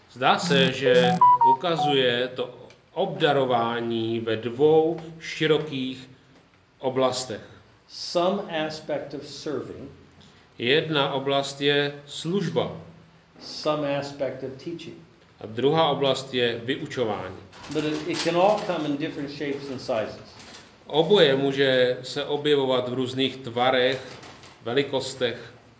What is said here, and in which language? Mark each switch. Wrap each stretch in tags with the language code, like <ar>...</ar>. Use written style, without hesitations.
<cs>Zdá se, že ukazuje to obdarování ve dvou širokých oblastech.</cs> <en>Some aspect of serving.</en> <cs>Jedna oblast je služba.</cs> <en>Some aspect of teaching.</en> <cs>A druhá oblast je vyučování.</cs> <en>But it can all come in different shapes and sizes.</en> <cs>Oboje může se objevovat v různých tvarech, velikostech.</cs>